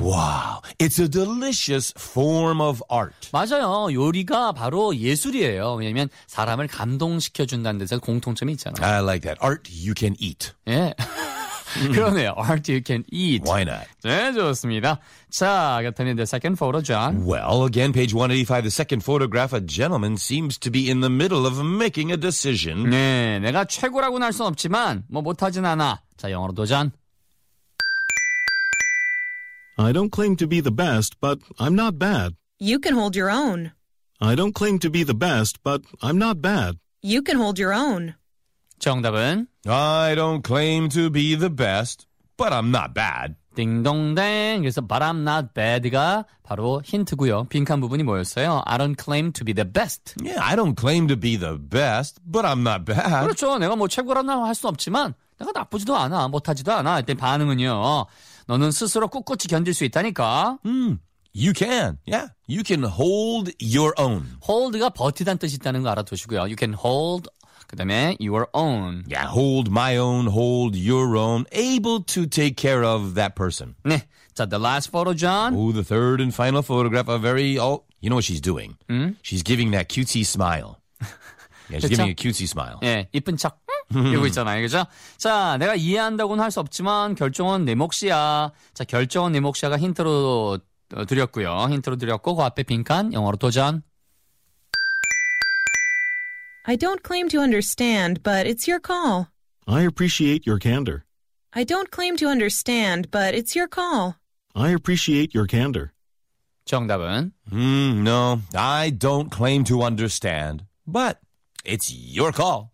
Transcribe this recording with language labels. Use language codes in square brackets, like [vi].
[en] Wow, it's a delicious form of art. [ko] 맞아요. 요리가 바로 예술이에요. 왜냐하면 사람을 감동시켜준다는 데서 공통점이 있잖아요. [en] I like that. Art you can eat. [ko] 예. 그러네요. [en] Art you can eat. Why not? [ko] 네, 좋습니다. 자, 그렇다면 [en] the second photo, John. Well, again, page 185, the second photograph, a gentleman seems to be in the middle of making a decision. [ko] 네, 내가 최고라고는 할 순 없지만, 뭐 못하진 않아. 자, 영어로 도전. [en] I don't claim to be the best, but I'm not bad. You can hold your own. I don't claim to be the best, but I'm not bad. You can hold your own. [ko] 정답은? [en] I don't claim to be the best, but I'm not bad. [ko] 딩동댕. 그래서 [en] but I'm not bad [ko] 가 바로 힌트고요. 빈칸 부분이 뭐였어요? [en] I don't claim to be the best. Yeah, I don't claim to be the best, but I'm not bad. [ko] 그렇죠. 내가 뭐 최고라고 할 수 없지만 내가 나쁘지도 않아, 못하지도 않아. 이때 반응은요. 너는 스스로 꿋꿋이 견딜 수 있다니까. [en] You can. Yeah. You can hold your own. [ko] Hold가 버티다는 뜻이 있다는 거 알아두시고요. [en] You can hold, [ko] 그 다음에 [en] your own. Yeah. Hold my own. Hold your own. Able to take care of that person. [ko] 네. 자, [en] the last photo, John. Oh, the third and final photograph. A very, oh, you know what she's doing. She's giving that cutesy smile. Yeah, she's giving a cutesy smile. [ko] 예, 이쁜 척. 이러고 있잖아요, 그죠? 자, 내가 이해한다고는 할 수 없지만 결정은 내 몫이야. 자, 결정은 내 몫이야가 힌트로 드렸고요. 힌트로 드렸고 그 앞에 빈칸 영어로 도전. [en] I don't claim to understand, but it's your call. I appreciate your candor. I don't claim to understand, but it's your call. I appreciate your candor. [ko] 정답은? [en] No, I don't claim to understand, but it's your call.